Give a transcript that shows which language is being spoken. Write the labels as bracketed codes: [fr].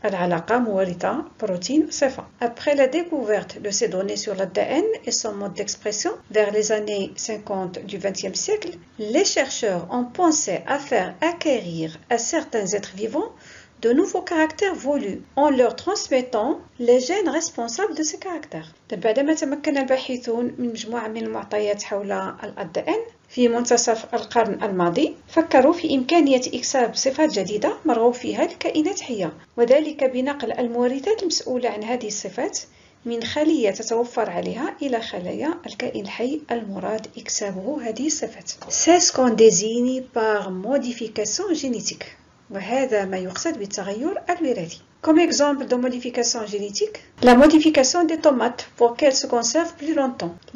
[ar] Al-alaqa, mouarita, [fr] protéines, sefa. Après la découverte de ces données sur l'ADN et son mode d'expression vers les années 50 du XXe siècle, les chercheurs ont pensé à faire acquérir à certains êtres vivants de nouveaux caractères voulus en leur transmettant les gènes responsables de ces caractères. [ar] بعد ما تمكن الباحثون من مجموعة من المعطيات حول الADN في منتصف القرن الماضي فكروا في إمكانية إكساب صفات جديدة مرغوب فيها لكائنات حية وذلك بنقل المورثات المسؤولة عن هذه الصفات من خلية تتوفر عليها إلى خلايا الكائن الحي المراد إكسابه هذه الصفات. [fr] C'est ce qu'on désigne par modification génétique. [ar] وهذا ما يقصد بالتغير الوراثي. [fr] Comme exemple de modification génétique, la modification des tomates pour qu'elles se conservent plus longtemps.